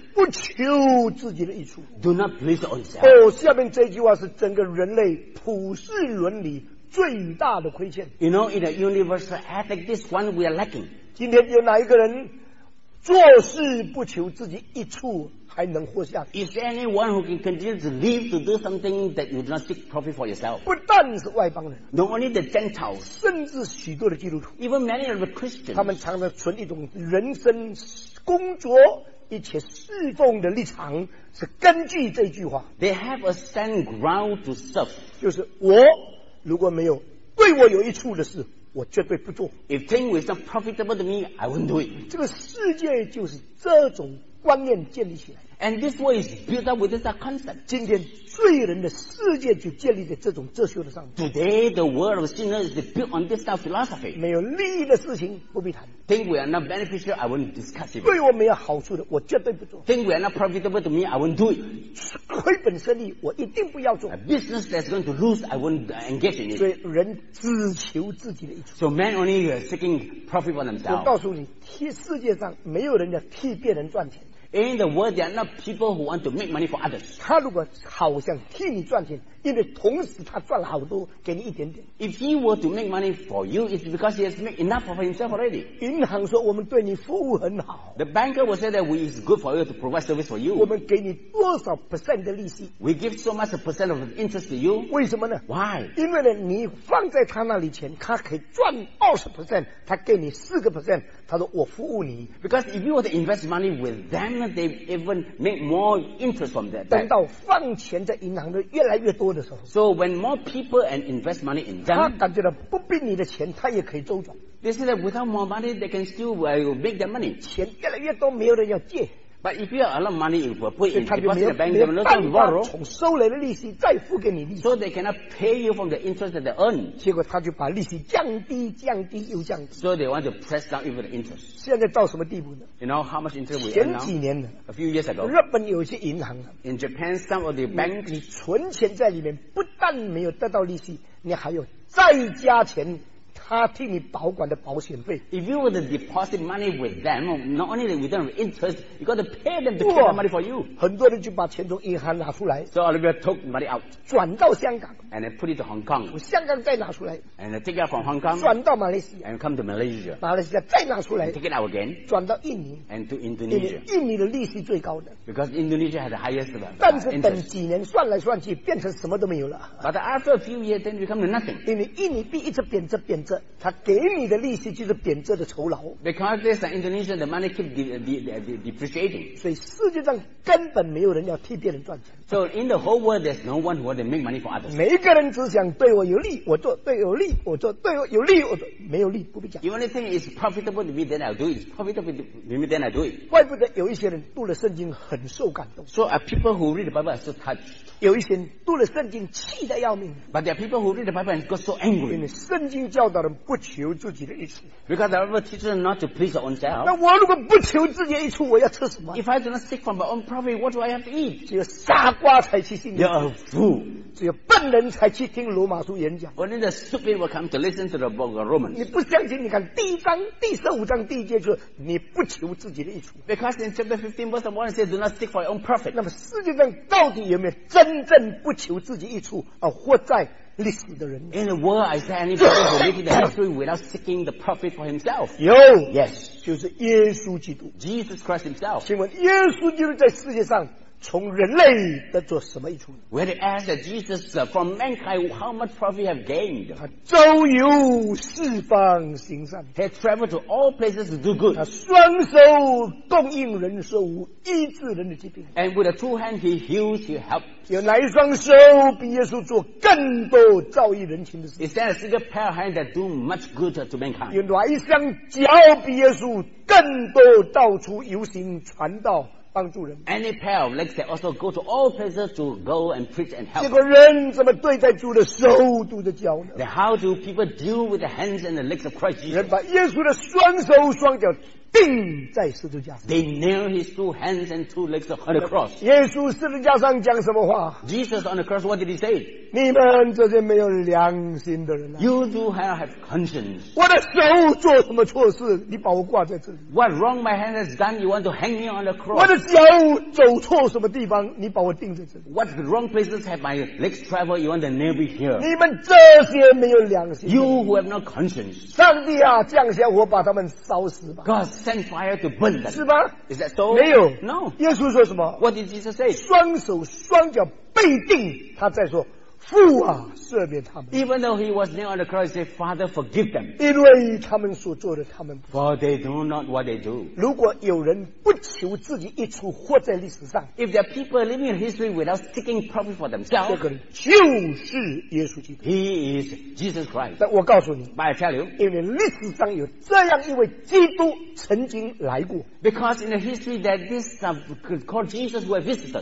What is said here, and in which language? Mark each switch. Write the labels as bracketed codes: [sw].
[zh] 不求自己的益处 [en] ，do not please yourself。 [zh] 哦，下面这句话是整个人类普世伦理最大的亏欠。 [en] You know, in a universal ethic, this one we are lacking。 [zh] 今天有哪一个人做事不求自己益处还能活下去 [en] ？Is there anyone who can continue to live to do something that you do not seek profit for yourself？ [zh] 不但是外邦人 [en] ，Not only the Gentiles， [zh] 甚至许多的基督徒 [en] ，Even many of the Christians， [zh] 他们常常存一种人生、工作一切侍奉的立场，是根据这句话。 [en] They have a stand ground to serve， [zh] 就是我如果没有对我有益处的事。我绝对不做。 [en] If things were not profitable to me, I wouldn't do it. [zh] 这个世界就是这种观念建立起来。 [en] And this world is built up with this concept. [zh] 今天罪人的世界就建立在这种哲学的上面。 [en] Today the world of sinners is built on this type of philosophy. [zh] 没有利益的事情不必谈。 [en] Things were not beneficial, I wouldn't discuss it. [zh] 对我没有好处的，我绝对不做。 [en] Things were not profitable to me, I wouldn't do it. [zh] 亏本生意，我一定不要做。 [en] A business that's going to lose, I wouldn't engage in it. [zh] 所以人只求自己的益处。 [en] So man only seeking profit for themselves. [zh] 我告诉你，替世界上没有人家替别人赚钱。 [en] In the world, there are not people who want to make money for others. [zh] 他如果好想替你赚钱，因为同时他赚了好多，给你一点点。 [en] If he were to make money for you, it's because he has made enough for himself already. [zh] 银行说我们对你服务很好。 [en] The banker will say that we is good for you to provide service for you. [zh] 我们给你多少 percent 的利息 [en] ？We give so much percent of interest to you. [zh] 为什么呢 [en] ？Why？ [zh] 因为呢，你放在他那里钱，他可以赚20%，他给你4%。他说我服务你 [en] ，because if you were to invest money with them, they even make more interest from that. [zh] 等到放钱在银行的越来越多的时候 [en] ，so when more people and invest money in them, [zh] 他感觉到不必你的钱，他也可以周转。 [en] They say that without more money, they can still make their money. [zh] 钱越来越多，没有人要借。 [en] But if you have a lot of money, you will put in deposit the bank, they will not have to borrow. [zh] 从收来的利息再付给你利息。 [en] So they cannot pay you from the interest that they earn. [zh] 结果他就把利息降低，降低又降低。 [en] So they want to press down even the interest. [zh] 现在到什么地步呢？ [en] You know how much interest we earn now? [zh] 前几年呢？ [en] A few years ago. [zh] 日本有些银行。 [en] In Japan, some of the banks. [zh] 你存钱在里面，不但没有得到利息，你还要再加钱。他替你保管的保险费。 [en] If you were to deposit money with them, not only that we don't have interest, you got to pay them to keep the money for you. [zh] 很多人就把钱从银行拿出来。 [en] So a lot of people took money out. [zh] 转到香港。 [en] And they put it to Hong Kong. [zh] 香港再拿出来。 [en] And they take it out from Hong Kong. [zh] 转到马来西亚。 [en] And come to Malaysia. [zh] 马来西亚再拿出来。 [en] Take it out again. [zh] 转到印尼。 [en] And to Indonesia. [zh] 印尼的利息最高的。 [en] Because Indonesia has the highest interest. [zh] 但是等几年算来算去，变成什么都没有了。 [en] But after a few years, then become nothing. [zh] 因为印尼币一直贬值贬值。责，他给你的利息就是贬值的酬劳。 [en] Because this Indonesia, the money keep depreciating. [zh] 所以世界上根本没有人要替别人赚钱。 [en] So in the whole world, there's no one who wants to make money for others. [zh] 每一个人只想对我有利，我做；对有利，我做；对有利，我做；没有利，不必讲。 [en] The only thing is profitable to me, then I'll do it. Profitable to me, then I'll do it. [zh] 怪不得有一些人读了圣经很受感动。 [en] So are people who read the Bible are so touched. [zh] 有一些人读了圣经气得要命。 [en] But there are people who read the Bible and got so angry. [zh] 因为圣经教导人不求自己的益处。 [en] Because the Bible teaches them not to please their own self. [zh] 那我如果不求自己的益处，我要吃什么？ [en] If I do not seek from my own profit, what do I have to eat? [zh] 只有傻瓜才去信。 [en] You're a fool. [zh] 只有笨人才去听罗马书演讲。 [en] Only the stupid will come to listen to the book of Romans. [zh] 你不相信？你看第一章第十五章第一节就是你不求自己的益处。 [en] Because in chapter 15 verse 1 it says, "Do not seek for your own profit." [zh] 那么世界上到底有没有真正不求自己益处而活在？ [en] In the world, is there any person who lives in the history without seeking the profit for himself? [zh] 有 [en] Yes. [zh] 就是耶稣基督 [en] Jesus Christ himself. [zh] 请问耶稣基督在世界上从人类得做什么益处？ [en] When they ask that Jesus from mankind, how much profit have gained? [zh] 他周游四方行善 [en] He traveled to all places to do good. [zh] 他双手供应人受苦，医治人的疾病 [en] And with a two hand, he heals, he helps. [zh] 有哪一双手比耶稣做更多造诣人情的事？ [en] Is there a single pair of hands that do much good to mankind? [zh] 有哪一双脚比耶稣更多到处游行传道？帮助人 [en] Any pair of legs that also go to all places to go and preach and help. [zh] 结果人怎么对待主的手、主的脚呢？ [en] Then how do people deal with the hands and the legs of Christ Jesus? [zh] 人把耶稣的双手、双脚钉在十字架上。 [en] They nailed his two hands and two legs on the cross. [zh] 耶稣十字架上讲什么话？ [en] Jesus on the cross, what did he say? [zh] 你们这些没有良心的人啊！ [en] You do have conscience. [zh] 我的手做什么错事？你把我挂在这里？ [en] What wrong my hand has done? You want to hang me on the cross? [zh] 我的脚走错什么地方？你把我钉在这里？ [en] What wrong places have my legs traveled? You want to nail me here? [zh] 你们这些没有良心。 [en] You who have no conscience. [zh] 上帝啊，降下火把他们烧死吧！ [en] God send fire to burn them. [zh] 是吧？ [en] Is that so? [zh] 没有。 [en] No. [zh] 耶稣说什么？ [en] What did Jesus say? [zh] 双手双脚被钉，他在说。父啊，赦免他们。 [en] Even though he was nailed on the cross, he said, "Father, forgive them." [zh] 因为他们所做的，他们不。 [en] For they do not what they do. [zh] 如果有人不求自己益处，活在历史上。 [en] If there are people living in history without seeking profit for themselves, [zh] 这个人就是耶稣基督。 [en] He is Jesus Christ. [zh] 但我告诉你 [en] ，But I tell you, [zh] 因为历史上有这样一位基督曾经来过。 [en] Because in the history that this called Jesus who visited,